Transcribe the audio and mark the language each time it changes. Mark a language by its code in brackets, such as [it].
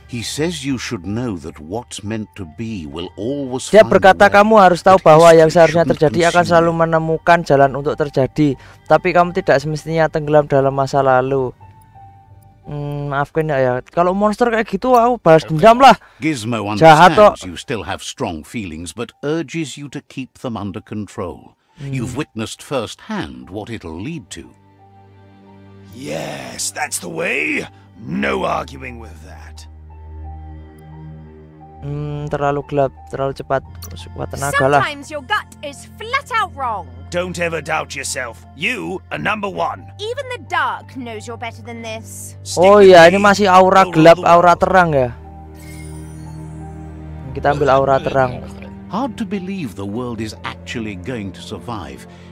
[en] He says you should know that what's meant to be will always. [id] Dia berkata kamu harus tahu bahwa yang seharusnya terjadi akan selalu menemukan jalan untuk terjadi, tapi kamu tidak semestinya tenggelam dalam masa lalu. Maafkan ya. Kalau monster kayak gitu, aku balas dendam lah. [en] Gizmo understands you still have strong feelings, but urges you to keep them under control. You've witnessed firsthand what it'll lead to. Yes, that's the way. No arguing with that. [id] Terlalu gelap, terlalu cepat. Kuat tenaga lah. [en] Sometimes your gut is flat out wrong. Don't ever doubt yourself. You are number one. Even the dark knows you're better than this. [id] Oh iya, ini masih aura gelap, aura terang ya. Kita ambil aura terang. [en] Hard to believe the world is actually going to survive.